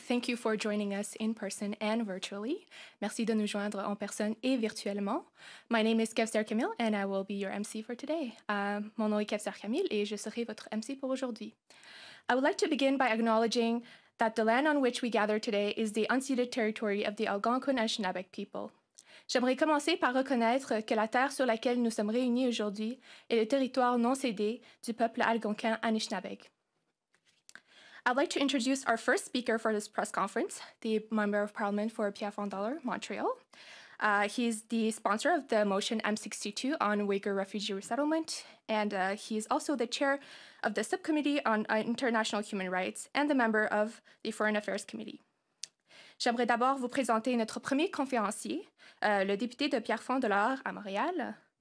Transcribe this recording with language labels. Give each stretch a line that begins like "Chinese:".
English: Thank you for joining us in person and virtually.
French: Merci de nous joindre en personne et virtuellement.
English: My name is Kevser Kamil and I will be your MC for today.
French: Mon nom est Kevser Kamil et je serai votre MC pour aujourd'hui.
English: I would like to begin by acknowledging that the land on which we gather today is the unceded territory of the Algonquin Anishinaabeg people.
French: J'aimerais commencer par reconnaître que la terre sur laquelle nous sommes réunis aujourd'hui est le territoire non cédé du peuple algonquin Anishinaabeg.
English: I'd like to introduce our first speaker for this press conference, the Member of Parliament for Pierre Fondaler, Montreal. He's the sponsor of the motion M62 on Uyghur refugee resettlement, and he's also the chair of the Subcommittee on International Human Rights and the member of the Foreign Affairs Committee.
French: J'aimerais d'abord vous présenter notre premier conférencier, le député de Pierre Fondaler à Montréal.